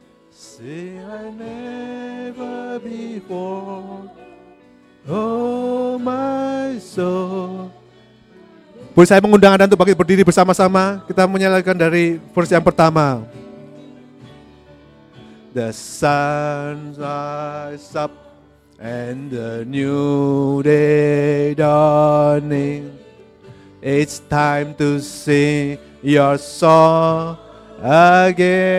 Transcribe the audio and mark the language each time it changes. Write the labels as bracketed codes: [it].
[en] See, I never before, oh my soul, [id] Boleh saya mengundang Anda untuk bangkit berdiri bersama-sama. Kita menyalakan dari verse yang pertama. [en] The sun rises up and the new day dawning. It's time to sing your song again.